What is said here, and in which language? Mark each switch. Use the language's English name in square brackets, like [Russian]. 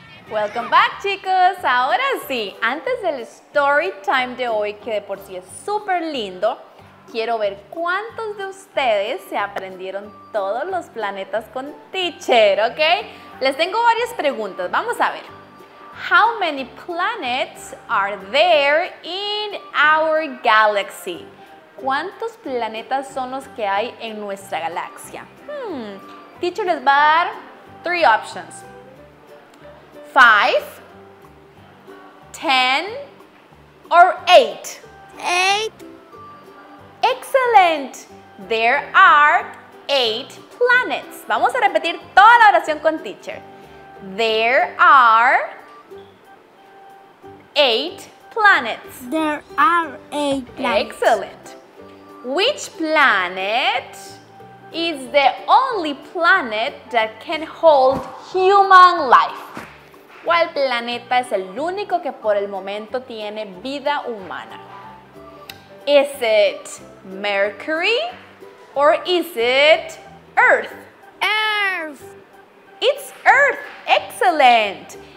[Spanish] Welcome back, chicos. Ahora sí, antes del story time de hoy, que de por sí es súper lindo, quiero ver cuántos de ustedes se aprendieron todos los planetas con teacher, ¿ok? Les tengo varias preguntas. Vamos a ver. [English] How many planets are there in our galaxy? [Spanish] ¿Cuántos planetas son los que hay en nuestra galaxia? Teacher les va a dar 3 options. 5, [English] 10 or 8? 8. Excellent. There are 8 planets. [Spanish] Vamos a repetir toda la oración con teacher. [English] There are 8 planets. There are 8 planets. Excellent. Which planet is the only planet that can hold human life? [Spanish] ¿Cuál planeta es el único que por el momento tiene vida humana? [English] Is it Mercury or is it Earth? Earth. It's Earth. Excellent.